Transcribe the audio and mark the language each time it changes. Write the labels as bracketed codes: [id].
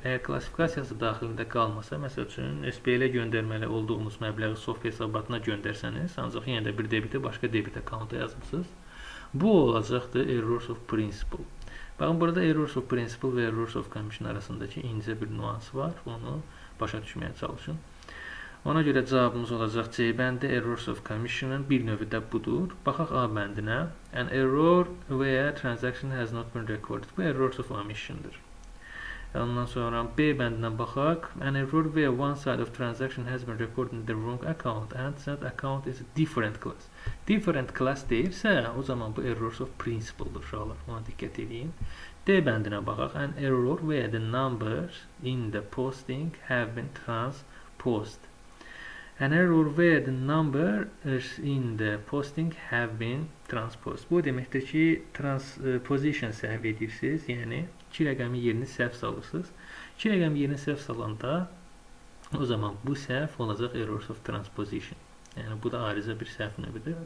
[az] Əgər klassifikasiyası daxilində qalmasa, məsəl üçün SPL-ə göndərməli olduğunuz məbləği SOP hesabatına göndərsəniz, ancaq yenə də bir debitə başqa debit accounta yazmışsınız, bu olacaqdır errors of principle. Baxın, burada errors of principle və errors of commission arasındakı incə bir nüans var. Onu başa düşməyə çalışın. Ona görə cavabımız olacaq C bəndi. Errors of commission-ın bir növü də budur. Baxaq A bəndinə. [en] An error where transaction has not been recorded. [az] Bu errors of omission-dır. Ondan sonra B bəndinə baxaq. [en] An error where one side of transaction has been recorded in the wrong account and that account is a different class. [az] Different class deyirsə, o zaman bu errors of principle-dur uşaqlar. Ona diqqət edin. D bəndinə baxaq. [en] An error where the numbers in the posting have been transposed. An error where the numbers in the posting have been transposed. [az] Bu deməkdir ki, transposition səhv edirsiniz. Yəni, 2 rəqəmi yerini səhv salırsınız. 2 rəqəmi yerini səhv salanda, o zaman bu səhv olacaq errors of transposition. Yəni, bu da ariza bir səhv növüdür.